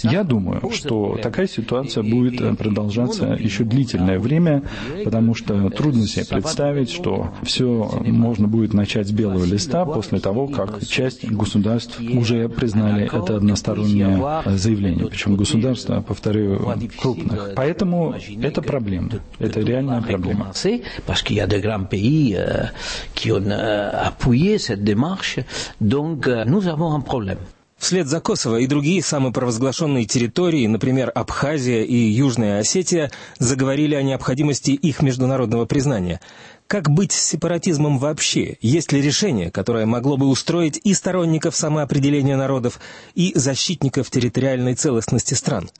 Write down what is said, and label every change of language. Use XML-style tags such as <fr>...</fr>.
<ru>Я думаю, что такая ситуация будет продолжаться еще длительное время, потому что трудно себе представить, что все можно будет начать с белого листа после того, как часть государств уже признали это одностороннее заявление. Причем государства, повторяю, крупных. Поэтому это проблема. Это реальная проблема.</ru> <fr>Parce qu'il y a de grands pays qui ont appuyé cette démarche, donc nous avons un problème.</fr> <ru>Вслед за Косово и другие самопровозглашенные территории, например, Абхазия и Южная Осетия, заговорили о необходимости их международного признания. Как быть с сепаратизмом вообще? Есть ли решение, которое могло бы устроить и сторонников самоопределения народов, и защитников территориальной целостности стран?</ru>